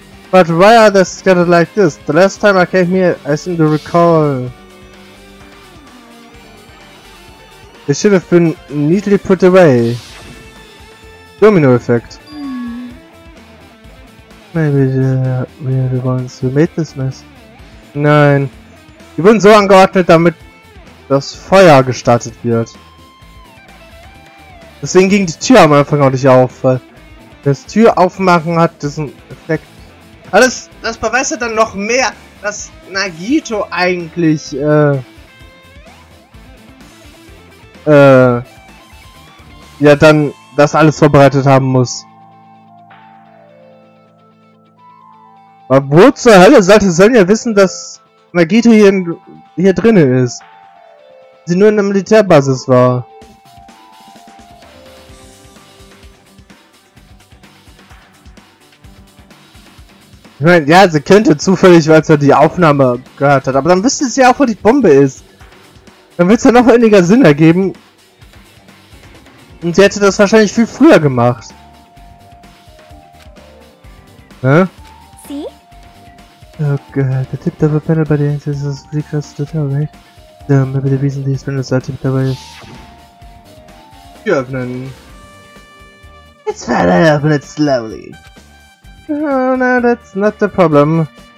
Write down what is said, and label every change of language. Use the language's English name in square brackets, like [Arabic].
[English] But why are they scattered like this? The last time I came here, I seem to recall... It should have been neatly put away. Domino effect. Maybe we are the ones who made this mess. [German] Nein. Die wurden so angeordnet, damit das Feuer gestartet wird. Deswegen ging die Tür am Anfang auch nicht auf, weil das Tür aufmachen hat diesen Effekt. Alles, das beweist ja dann noch mehr, dass Nagito eigentlich, ja, dann das alles vorbereitet haben muss. Aber wo zur Hölle sollte Sonja wissen, dass Nagito hier drinnen ist? Sie nur in der Militärbasis war. Ich meine, ja, sie könnte zufällig, weil sie die Aufnahme gehört hat. Aber dann wüsste sie ja auch, wo die Bombe ist. Dann wird es ja noch weniger Sinn ergeben. Und sie hätte das wahrscheinlich viel früher gemacht. Hä? Sie? [English] Okay, the tipped over panel by the entrance is recast to tell, right? So, maybe the reason these panels are tipped over is... You open. It's fine, I open it slowly. Oh, no, that's not the problem.